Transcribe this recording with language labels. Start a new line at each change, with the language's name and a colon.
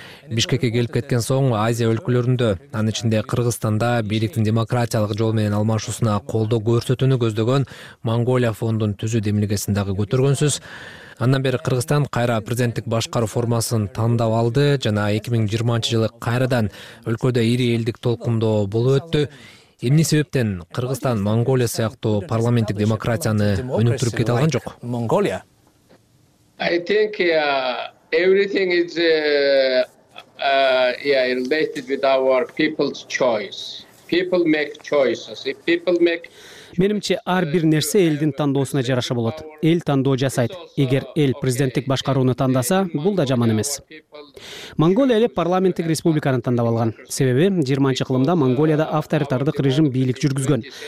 Kyrgyz: Бишкекке келип кеткен соң Азия өлкөлөрүндө, анын ичинде Кыргызстанда бийликтин демократиялык жол менен алмашуусуна колдоо көрсөтүүнү көздөгөн Монголия фондун түзүү демилгесин дагы көтөргөнсүз. Андан бери Кыргызстан кайра президенттик башкаруу формасын тандап алды жана 2020 жылы кайрадан өлкөдө ири элдик толкундоо болуп өттү. Эмне себептен Кыргызстан Монголия сыяктуу парламенттик демократияны өнүктүрүп кете алган жок?
English: I think everything is related with our people's choice. People make choices. If people make
Kyrgyz: Менимче, ар бир нерсе элдин тандоосуна жараша болот. Эл тандоо жасайт. Эгер эл президенттик башкарууну тандаса, бул да жаман эмес. Монголия эле парламенттик республиканы тандап алган. Себеби, 20-чы кылымда Монголияда авторитардык режим бийлик жүргүзгөн.